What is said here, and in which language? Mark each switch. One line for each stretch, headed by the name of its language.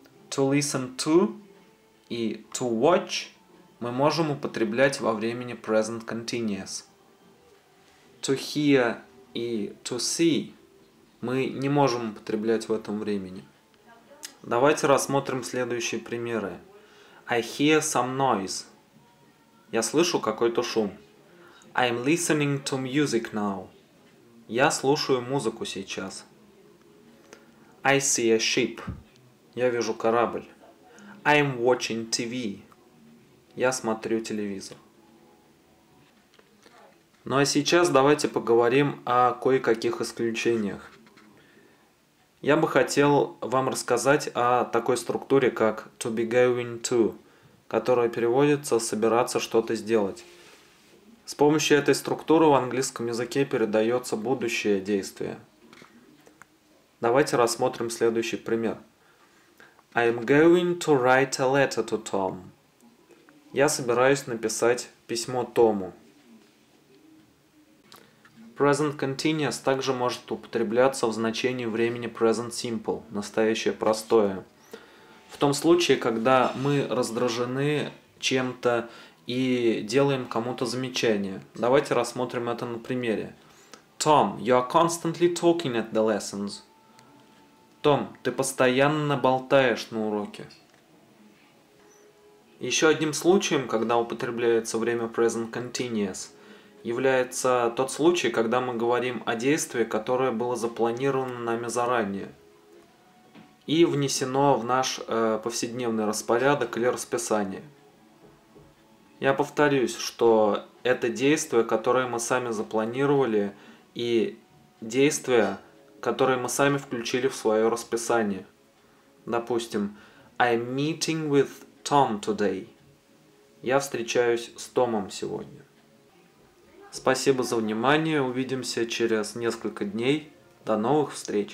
Russian: To listen to и to watch мы можем употреблять во времени present continuous. To hear и to see мы не можем употреблять в этом времени. Давайте рассмотрим следующие примеры.
English: I hear some noise. Я слышу какой-то шум. I'm listening to music now.
Russian: Я слушаю музыку сейчас. I see a ship. Я вижу корабль.
English: I'm watching TV. Я смотрю телевизор.
Russian: Ну а сейчас давайте поговорим о кое-каких исключениях. Я бы хотел вам рассказать о такой структуре, как to be going to, которая переводится «собираться что-то сделать». С помощью этой структуры в английском языке передается будущее действие. Давайте рассмотрим следующий пример.
English: I'm going to write a letter to Tom.
Russian: Я собираюсь написать письмо Тому. Present continuous также может употребляться в значении времени present simple, настоящее простое. В том случае, когда мы раздражены чем-то и делаем кому-то замечание. Давайте рассмотрим это на примере.
English: Tom, you are constantly talking at the lessons.
Russian: Том, ты постоянно болтаешь на уроке. Еще одним случаем, когда употребляется время present continuous, является тот случай, когда мы говорим о действии, которое было запланировано нами заранее и внесено в наш повседневный распорядок или расписание. Я повторюсь, что это действие, которое мы сами запланировали, и действие, которое мы сами включили в свое расписание. Допустим, I'm meeting with Tom today. Я встречаюсь с Томом сегодня. Спасибо за внимание. Увидимся через несколько дней. До новых встреч!